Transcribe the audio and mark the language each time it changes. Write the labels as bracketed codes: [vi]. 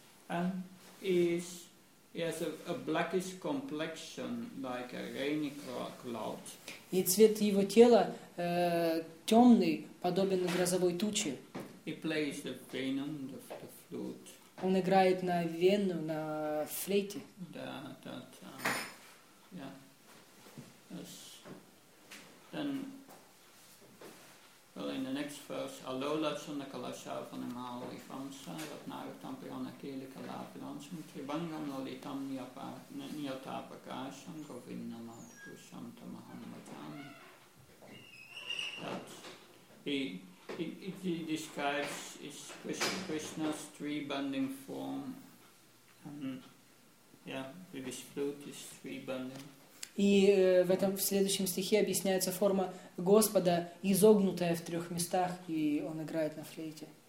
[en] And he has a blackish complexion like a rainy cloud. [ru] И цвет его тела темный, подобен грозовой туче. [en] He plays the venom, the flute. [ru] Он играет на вену, на флейте. Да, да, да. [en] Yes. Then, well, in the next verse, Alola Sunakalasha Panamali Fonsa, but now Tampiona Kilikala Pilonsum, Tribangam Lolitam Niotapakasham, Govina Matu Santa Mahanamatam. That he describes is Krishna's tree bending form. Yeah, with his flute is tree bending. [ru] И в этом в следующем стихе объясняется форма Господа, изогнутая в трех местах, и он играет на флейте.